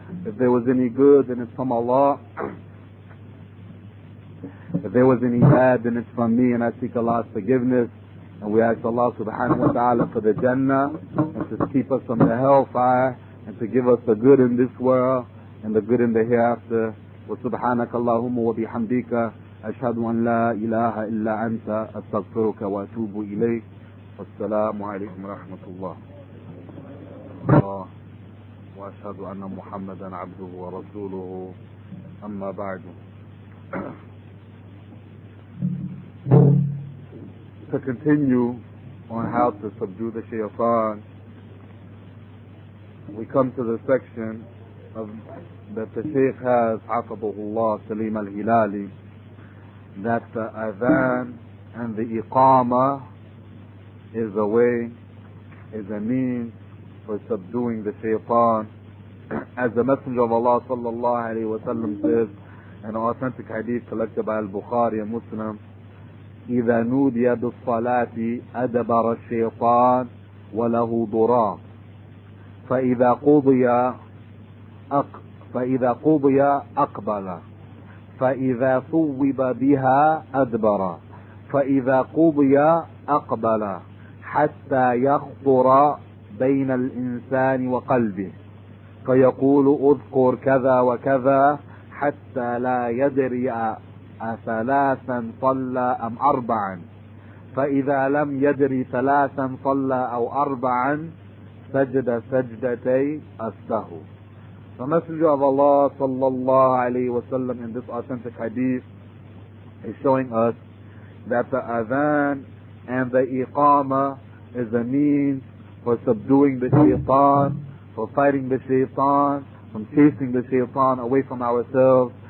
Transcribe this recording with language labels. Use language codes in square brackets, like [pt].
[en] If there was any good, then it's from Allah. If there was any bad, then it's from me, and I seek Allah's forgiveness. And we ask Allah subhanahu wa ta'ala for the Jannah, and to keep us from the hellfire, and to give us the good in this world and the good in the hereafter. [ar] وسبحانك اللهم وبحمدك أشهد أن لا إله إلا أنت أستغفرك وأتوب إليك والسلام عليكم ورحمة الله وأشهد أن محمدا عبده ورسوله أما بعد. [en] To continue on how to subdue the shaytan, we come to the section of that the Shaykh has, Afabahullah Salim al-Hilali, that the Adhan and the Iqamah is a way, is a means for subduing the Shaytan. As the Messenger of Allah sallallahu alayhi wa sallam says, an authentic hadith collected by al-Bukhari and Muslim, [ar] إِذَا نُودِيَ بِالصَّلَاةِ أَدَبَرَ الشَّيْطَانِ وَلَهُ دُرَاهُ فَإِذَا قُضِيَ فإذا قضي أقبل فإذا صوب بها أدبر فإذا قضي أقبل حتى يخطر بين الإنسان وقلبه فيقول أذكر كذا وكذا حتى لا يدري أثلاثا صلى أم أربعا فإذا لم يدري ثلاثا صلى أو أربعا سجد سجدتي السهو. [en] The Messenger of Allah sallallahu alayhi wa sallam in this authentic hadith is showing us that the adhan and the iqama is a means for subduing the shaitan, for fighting the shaitan, from chasing the shaitan away from ourselves.